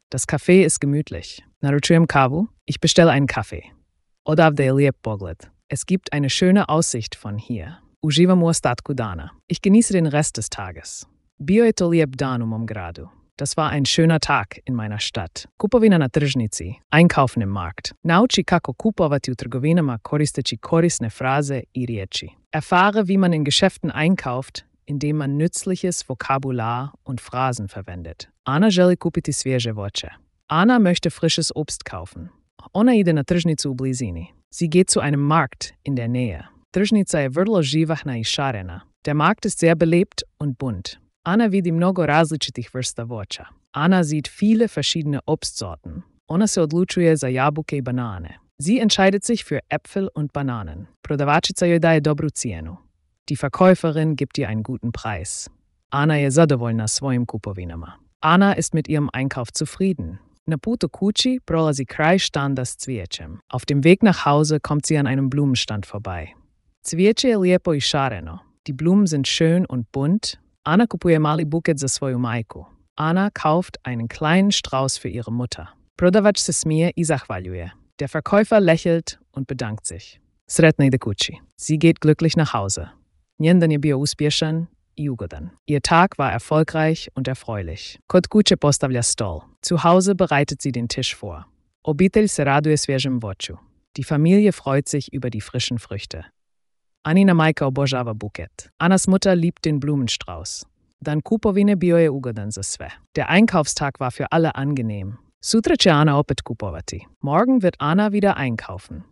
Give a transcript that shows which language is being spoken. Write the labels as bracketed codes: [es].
[de] Das Café ist gemütlich. [hr] Naručujem kavu. [de] Ich bestelle einen Kaffee. [hr] Odavde je lijep pogled. [de] Es gibt eine schöne Aussicht von hier. [hr] Uživam u ostatku dana. [de] Ich genieße den Rest des Tages. [hr] Bio je to lijep dan u mom gradu. [de] Das war ein schöner Tag in meiner Stadt. [hr] Kupovina na tržnici. [de] Einkaufen im Markt. [hr] Nauči kako kupovati u trgovinama koristeći korisne fraze i riječi. [de] Erfahre, wie man in Geschäften einkauft, indem man nützliches Vokabular und Phrasen verwendet. [hr] Ana želi kupiti svježe voće. [de] Ana möchte frisches Obst kaufen. [hr] Ona ide na tržnicu u blizini. [de] Sie geht zu einem Markt in der Nähe. [hr] Tržnica je vrlo živahna i šarena. [de] Der Markt ist sehr belebt und bunt. [hr] Ana vidi mnogo različitih vrsta voća. [de] Ana sieht viele verschiedene Obstsorten. [hr] Ona se odlučuje za jabuke i banane. [de] Sie entscheidet sich für Äpfel und Bananen. [hr] Prodavačica joj daje dobru cijenu. [de] Die Verkäuferin gibt ihr einen guten Preis. [hr] Ana je zadovoljna svojim kupovinama. [de] Ana ist mit ihrem Einkauf zufrieden. [hr] Na putu kući prolazi kraj standa s cvijećem. [de] Auf dem Weg nach Hause kommt sie an einem Blumenstand vorbei. [hr] Cvijeće je lijepo i šareno. [de] Die Blumen sind schön und bunt. [hr] Ana kupuje mali buket za svoju majku. [de] Ana kauft einen kleinen Strauß für ihre Mutter. [hr] Prodavač se smije i zahvaljuje. [de] Der Verkäufer lächelt und bedankt sich. [hr] Sretna ide kući. [de] Sie geht glücklich nach Hause. [hr] Njen dan je bio uspješan i ugodan. [de] Ihr Tag war erfolgreich und erfreulich. [hr] Kod kuće postavlja stol. [de] Zu Hause bereitet sie den Tisch vor. [hr] Obitelj se raduje svježem voću. [de] Die Familie freut sich über die frischen Früchte. [hr] Anina majka obožava buket. [de] Anas Mutter liebt den Blumenstrauß. [hr] Dan kupovine bio je ugodan za sve. [de] Der Einkaufstag war für alle angenehm. [hr] Sutra će Ana opet kupovati. [de] Morgen wird Ana wieder einkaufen.